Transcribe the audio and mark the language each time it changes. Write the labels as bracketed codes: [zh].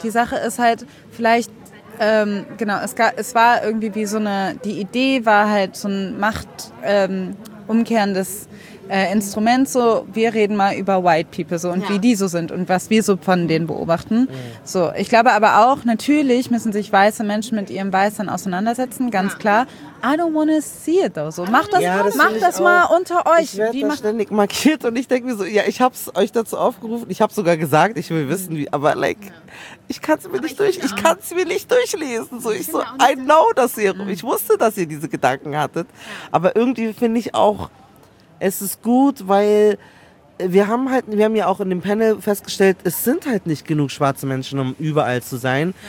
[de] Die Sache ist halt vielleicht, es war irgendwie wie so eine, die Idee war halt so ein machtumkehrendes Instrument, so, wir reden mal über White People so und wie die so sind und was wir so von denen beobachten. So, ich glaube aber auch, natürlich müssen sich weiße Menschen mit ihrem Weißsein auseinandersetzen, ganz klar. [en] I don't wanna see it though. [de] So, mach das mal unter euch. Ich werde da ständig markiert und ich denke mir so, ja, ich habe es euch dazu aufgerufen, ich habe sogar gesagt, ich will wissen, wie, aber like, ich kann es mir nicht durch, ich kann es mir nicht durchlesen. So, ich so, [en] I know, [de] dass ihr, ich wusste, dass ihr diese Gedanken hattet, aber irgendwie finde ich auch, es ist gut, weil wir haben ja auch in dem Panel festgestellt, es sind halt nicht genug schwarze Menschen, um überall zu sein.